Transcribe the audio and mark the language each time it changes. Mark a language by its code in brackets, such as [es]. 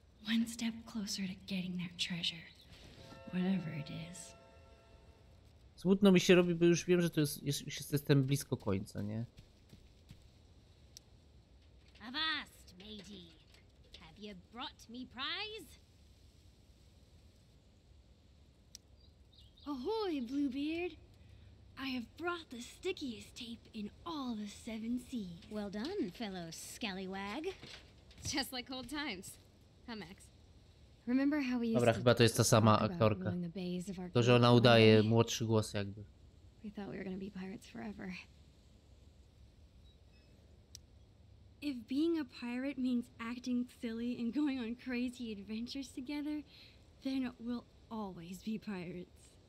[en] One step closer to getting that treasure. Whatever it is. [pl] Smutno mi się robi, bo już wiem, że to jest, już jestem blisko końca, nie? [en] Avast, matey. Have you brought me prize? Ahoy, Bluebeard. I have brought the stickiest tape in all the seven seas. Well done, fellow scallywag. Just like old times. Huh, Max? Remember how we used [pl] dobra, to chyba to jest ta sama aktorka. To, że ona udaje młodszy głos jakby. [en] We thought we were gonna be pirates forever. If being a pirate means acting silly and going on crazy adventures together, then we'll always be pirates.